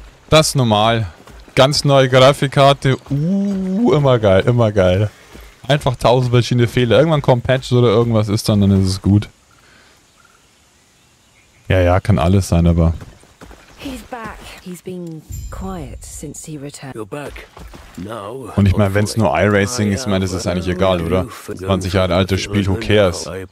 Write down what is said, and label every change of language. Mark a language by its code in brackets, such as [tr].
[de] Das ist normal. Ganz neue Grafikkarte. Immer geil. Einfach 1000 verschiedene Fehler. Irgendwann kommen Patches oder irgendwas ist dann ist es gut. Ja, kann alles sein, aber. [en] He's back. He's been quiet since he returned. You're back. [de] Now, und ich meine, wenn es nur iRacing ist, das ist eigentlich egal, oder? 20 Jahre altes Spiel, [en] who cares?